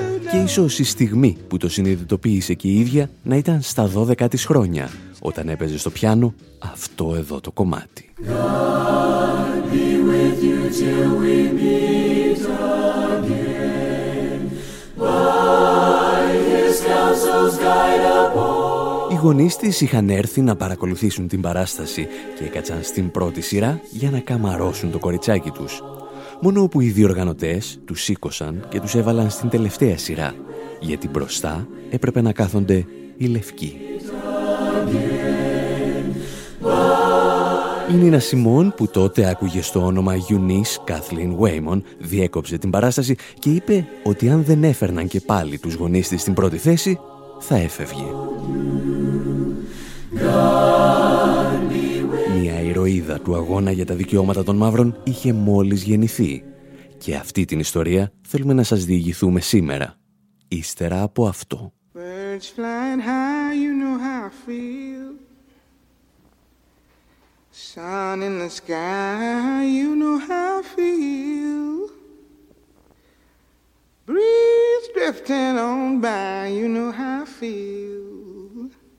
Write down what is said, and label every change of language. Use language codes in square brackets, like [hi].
[el] Και ίσως η στιγμή που το συνειδητοποίησε και η ίδια να ήταν στα 12 της χρόνια, όταν έπαιζε στο πιάνο αυτό εδώ το κομμάτι. [en] God be with you till we meet again. By his counsels guide up all. [el] Οι γονείς της είχαν έρθει να παρακολουθήσουν την παράσταση και έκατσαν στην πρώτη σειρά για να καμαρώσουν το κοριτσάκι τους. Μόνο που οι διοργανωτές τους σήκωσαν και τους έβαλαν στην τελευταία σειρά, γιατί μπροστά έπρεπε να κάθονται οι λευκοί. Η Νίνα Σιμών, που τότε άκουγε στο όνομα Eunice Kathleen Waymon, διέκοψε την παράσταση και είπε ότι αν δεν έφερναν και πάλι τους γονείς της στην πρώτη θέση, θα έφευγε. Μια ηρωίδα του αγώνα για τα δικαιώματα των μαύρων είχε μόλις γεννηθεί. Και αυτή την ιστορία θέλουμε να σας διηγηθούμε σήμερα, ύστερα από αυτό. [en] Birds flying high, you know how I feel. Sun in the sky, you know how I feel. Breeze drifting on by, you know how I feel.